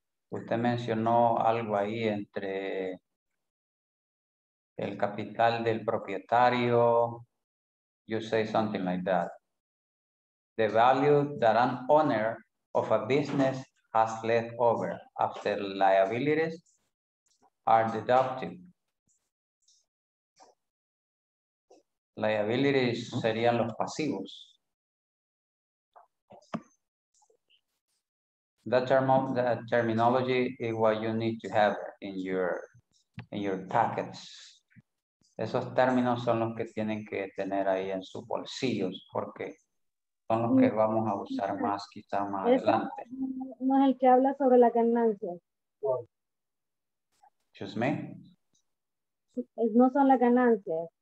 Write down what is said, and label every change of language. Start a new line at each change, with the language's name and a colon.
Spanish: Usted mencionó algo ahí entre el capital del propietario.
English: You say something like that. The value that an owner of a business has left over after liabilities are deducted.
Spanish: Liabilities serían los pasivos.
English: That terminology is what you need to have in your packets.
Spanish: Esos términos son los que tienen que tener ahí en sus bolsillos, porque son los que vamos a usar más, quizá más adelante. No es el que habla sobre las ganancias.
English: Excuse me.
Spanish: No son las ganancias.